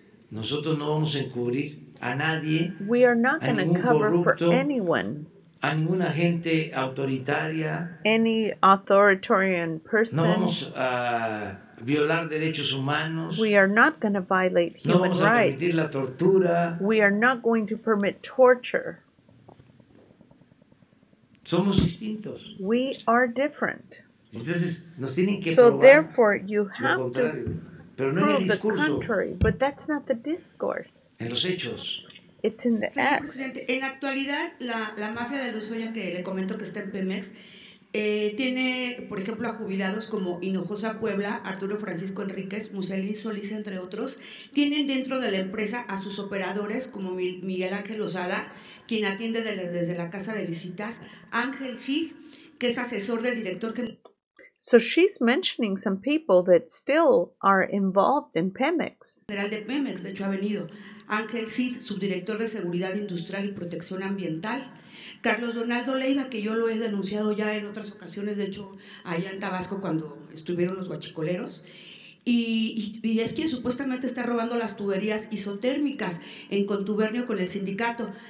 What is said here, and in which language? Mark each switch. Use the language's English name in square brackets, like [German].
[Spanish] Nosotros no vamos a encubrir a nadie. [English] We are not going to cover for anyone. [Spanish] A ninguna gente autoritaria. [English] Any authoritarian person. [Spanish] No vamos a violar derechos humanos. [English] We are not going to violate human rights. [Spanish] No vamos a permitir [English] rights. [Spanish] La tortura. [English] We are not going to permit torture. [Spanish] Somos distintos. [English] We are different. [Spanish] Entonces, nos tienen que [English] so [Spanish] probar [English] therefore you have to [Spanish] pero no [English] prove [Spanish] en el discurso. [English] The contrary, but that's not the discourse. [Spanish] En los hechos. [English] It's in the [Spanish] señor presidente, en la actualidad la mafia de Lozoya que le comento que está en Pemex tiene por ejemplo a jubilados como Hinojosa Puebla, Arturo Francisco Enríquez, Muselín Solís, entre otros. Tienen dentro de la empresa a sus operadores como Miguel Ángel Lozada, quien atiende desde la casa de visitas, Ángel Cid, que es asesor del director. [English] So she's mentioning some people that still are involved in Pemex. [Spanish] General de Pemex, de hecho ha venido Ángel Cid, subdirector de Seguridad Industrial y Protección Ambiental. Carlos Donaldo Leiva, que yo lo he denunciado ya en otras ocasiones, de hecho, allá en Tabasco cuando estuvieron los huachicoleros. Y es quien supuestamente está robando las tuberías isotérmicas en contubernio con el sindicato.